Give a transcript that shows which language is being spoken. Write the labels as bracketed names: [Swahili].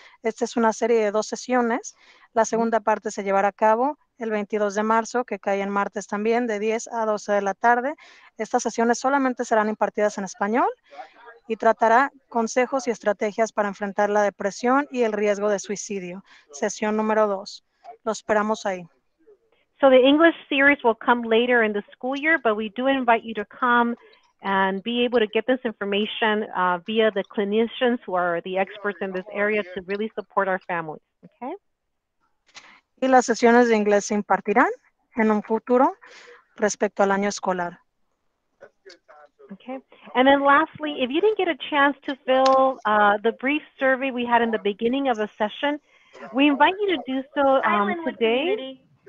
[Spanish] Esta es una serie de dos sesiones. La segunda parte se llevará a cabo el 22 de marzo, que cae en martes también, de 10 a 12 de la tarde. Estas sesiones solamente serán impartidas en español y tratará consejos y estrategias para enfrentar la depresión y el riesgo de suicidio. Sesión número 2. Lo esperamos ahí. [English] So the English series will come later in the school year, but we do invite you to come and be able to get this information via the clinicians who are the experts in this area to really support our families, okay? [Spanish] Y las sesiones de inglés se impartirán en un futuro respecto al año escolar. [English] Okay, and then lastly, if you didn't get a chance to fill the brief survey we had in the beginning of the session, we invite you to do so today.